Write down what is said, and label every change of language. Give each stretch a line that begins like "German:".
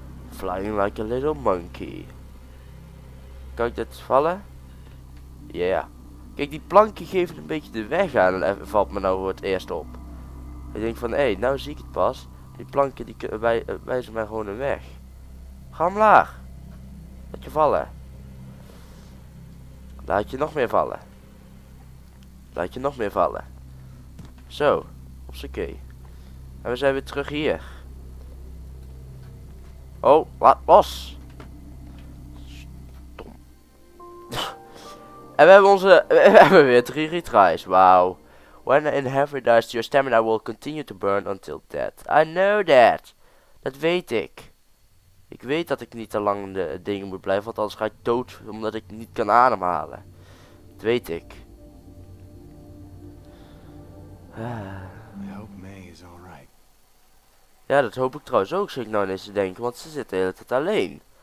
English: Flying like a little monkey.
Dutch: Kan ik dit vallen? Ja. Yeah. Kijk, die planken geven een beetje de weg aan en valt me nou voor het eerst op. Ik denk van, hé, hey, nou zie ik het pas. Die planken die wijzen mij gewoon een weg. Ga omlaag. Laat je vallen. Laat je nog meer vallen. Laat je nog meer vallen. Zo, op z'n key. En we zijn weer terug hier. Oh, wat was? En we hebben onze, we hebben weer 3 retries, wauw.
English: When in heaven dies, your stamina will continue to burn until dead. I know that.
Dutch: Dat weet ik. Ik weet dat ik niet te lang de dingen moet blijven, want anders ga ik dood omdat ik niet kan ademhalen. Dat weet ik.
English: I hope May is all right.
Dutch: Ja, dat hoop ik trouwens ook, zou ik nou eens denken, want ze zit de hele tijd alleen.